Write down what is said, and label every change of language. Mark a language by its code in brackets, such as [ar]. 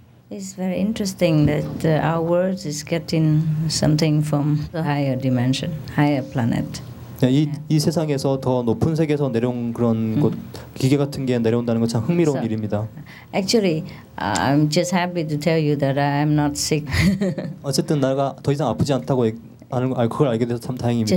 [en] It's very interesting that our world is getting something from the higher dimension, higher planet. [ko] 네, 이 세상에서 더 높은 세계에서 내려온 그런 곳, 기계 같은 게 내려온다는 건 참 흥미로운 일입니다. [en] Actually, I'm just happy to tell you that I'm not sick. [ko] 어쨌든 내가 더 이상 아프지 않다고 아는 걸 그걸 알게 돼서 참 다행입니다.